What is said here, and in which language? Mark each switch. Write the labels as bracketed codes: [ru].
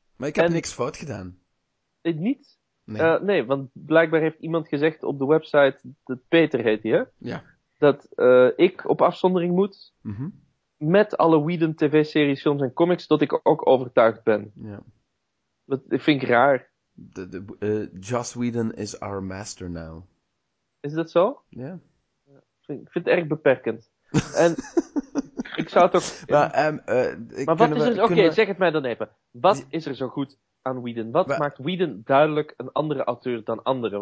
[nl] Maar ik heb niks fout gedaan. Niet? Nee. Nee, want blijkbaar heeft iemand gezegd op de website, dat Peter heet die, hè? Ja. Dat ik op afzondering moet. Mm-hmm. Met alle Whedon tv-series, films en comics, dat ik ook overtuigd ben. Ja. Dat vind ik raar. [en] Joss Whedon is our master now. [nl] Is dat zo? Ja. Yeah. Ik vind het erg beperkend. En ik zou het ook... zeg het mij dan even. Wat is er zo goed aan Whedon? Wat maakt Whedon duidelijk een andere auteur dan anderen?